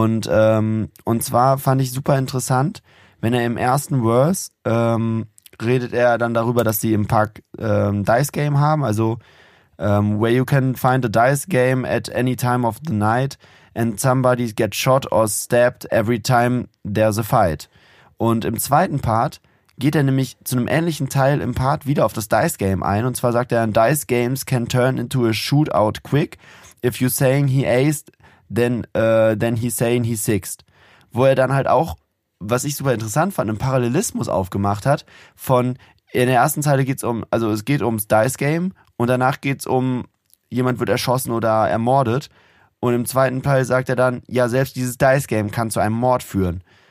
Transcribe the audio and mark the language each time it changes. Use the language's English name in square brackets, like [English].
[German] Und zwar fand ich super interessant, wenn er im ersten Verse redet er dann darüber, dass sie im Park Dice Game haben, also [English] where you can find a dice game at any time of the night and somebody gets shot or stabbed every time there's a fight. [German] Und im zweiten Part geht er nämlich zu einem ähnlichen Teil im Part wieder auf das Dice Game ein. Und zwar sagt er, [English] dice games can turn into a shootout quick. If you're saying he aced, then he's saying he sixed. [German] Wo er dann halt auch, was ich super interessant fand, einen Parallelismus aufgemacht hat von, in der ersten Zeile geht's um, also es geht ums Dice Game. Und danach geht's um, jemand wird erschossen oder ermordet. Und im zweiten Teil sagt er dann, ja, selbst dieses Dice Game kann zu einem Mord führen.